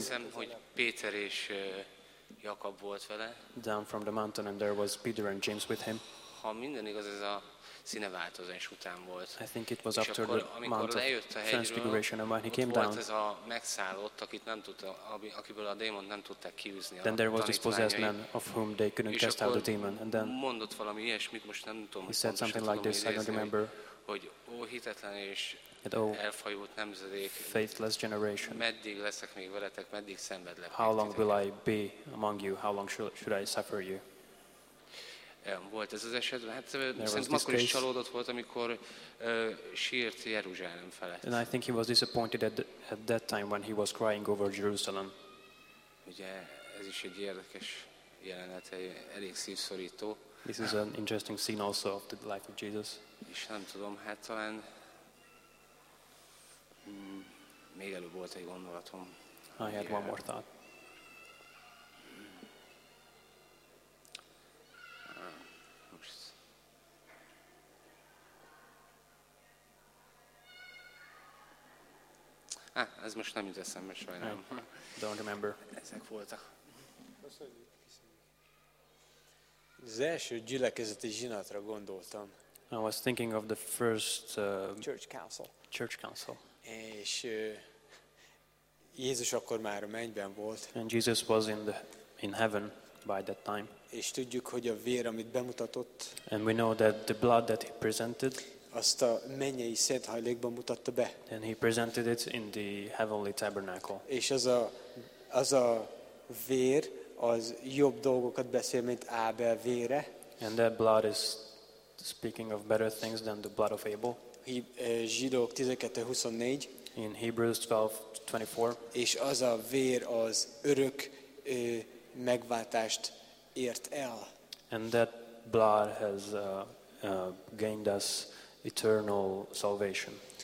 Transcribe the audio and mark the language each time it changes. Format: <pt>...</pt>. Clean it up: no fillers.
<hu>Azt hiszem, hogy Péter és Jakab volt vele.</hu> <en>Down from the mountain and there was Peter and James with him.</en> <hu>Ha minden igaz, ez a színeváltozás után volt.</hu> <en>I think it was after the mount of transfiguration and when he came down.</en> <hu>Ez a megszállott, akit nem tudta, akiből a démon nem tudták kiűzni.</hu> <en>Then there was this possessed man of whom they couldn't cast out the demon. And then</en> <hu>mondott valami ilyesmit, most nem tudom.</hu> <en>He said something like this, I don't remember.</en> <hu>Hogy ó, hitetlen és elfajult nemzedék,</hu> <en>faithless generation.</en> <hu>Meddig leszek még veletek, meddig szenvedlek?</hu> <en>How long will I be among you? How long should I suffer you?</en> <hu>volt ez az esetben. Hát szerintem akkor is csalódott volt, amikor sírt Jeruzsálem felett.</hu> <en>And I think he was disappointed at that time when he was crying over Jerusalem.</en> <hu>Ugye ez is egy érdekes jelenet, elég szívszorító.</hu> <en>This is an interesting scene also of the life of Jesus.</en> <hu>És nem tudom, hát talán még előbb volt egy gondolatom.</hu> <en>I had one more thought.</en> <hu>Ez most nem jut eszembe, sajnálom.</hu> <en>Don't remember.</en> <hu>Ezek voltak. Az első gyülekezeti zsinatra gondoltam.</hu> <en>I was thinking of the first church council. Church council.</en> <hu>És Jézus akkor már a mennyben volt.</hu> <en>And Jesus was in heaven by that time.</en> <hu>És tudjuk, hogy a vér, amit bemutatott.</hu> <en>And we know that the blood that he presented.</en> <hu>Azt a mennyei szent hajlékban mutatta be.</hu> <en>And he presented it in the heavenly tabernacle.</en> <hu>És az a vér az jobb dolgokat beszél, mint Ábel vére.</hu> <en>And that blood is speaking of better things than the blood of Abel.</en> <hu>Zsidók 12:24.</hu> <en>In Hebrews 12:24.</en> <hu>És az a vér az örök megváltást ért el.</hu> <en>And that blood has gained us eternal salvation.</en>